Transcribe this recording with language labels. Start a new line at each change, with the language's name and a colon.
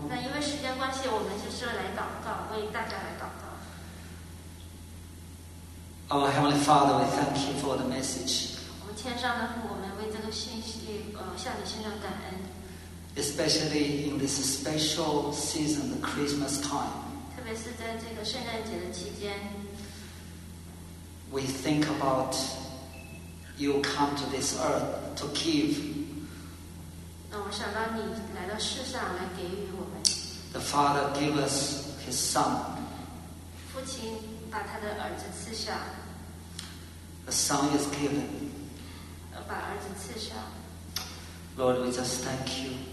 Chinese: 那因为时间关系，我们就是来祷告，为大家来祷告。
English: Our Heavenly Father, we thank you for the message.
Chinese: 我们天上的父，我们为这个信息，向你献上感恩。
English: Especially in this special season, the Christmas time.
Chinese: 特别是在这个圣诞节的期间。
English: We think about you come to this earth to give.
Chinese: 那我想到你来到世上来给予我们。
English: The Father gave us His Son.
Chinese: 父亲把他的儿子赐下。
English: The Son is given.
Chinese: 把儿子赐下。
English: Lord, we just thank you.